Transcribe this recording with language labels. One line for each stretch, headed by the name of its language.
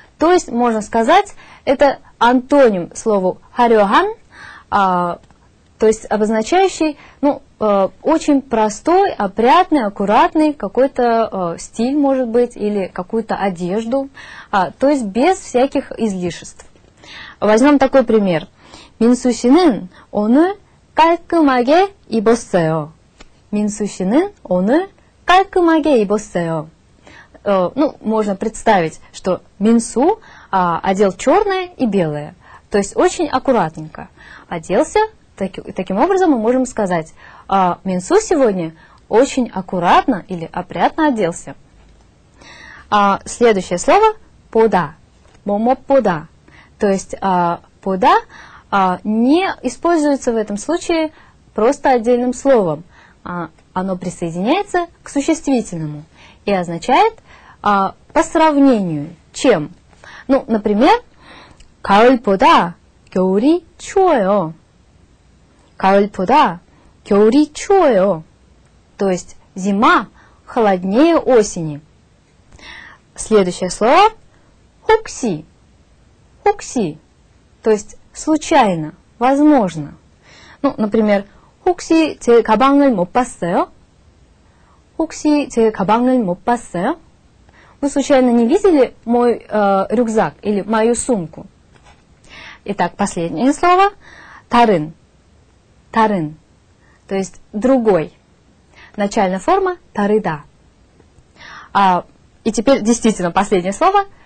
Russian: То есть, можно сказать, это антоним слову 화려한. То есть обозначающий, ну, очень простой, опрятный, аккуратный какой-то стиль, может быть, или какую-то одежду, то есть без всяких излишеств. Возьмем такой пример.
Korean: 민수 씨는 오늘 깔끔하게 입었어요. 민수 씨는 오늘 깔끔하게 입었어요.
Russian: Ну, можно представить, что 민수 одел черное и белое. То есть очень аккуратненько оделся. Таким образом мы можем сказать, Минсу сегодня очень аккуратно или опрятно оделся. Следующее слово – пода. Момо пода. То есть пода не используется в этом случае просто отдельным словом. Оно присоединяется к существительному и означает по сравнению чем. Ну, например,
Korean: 가을보다 겨울이 추워요. 가을보다 겨울이 추워요.
Russian: То есть зима холоднее осени. Следующее слово. 혹시. 혹시. То есть случайно, возможно. Ну, например,
Korean: 혹시 제 가방을 못 봤어요? 혹시 제 가방을 못 봤어요?
Russian: Вы случайно не видели мой рюкзак или мою сумку? Итак, последнее слово. 다른. 다른. То есть другой. Начальная форма 다르다. И теперь действительно последнее слово.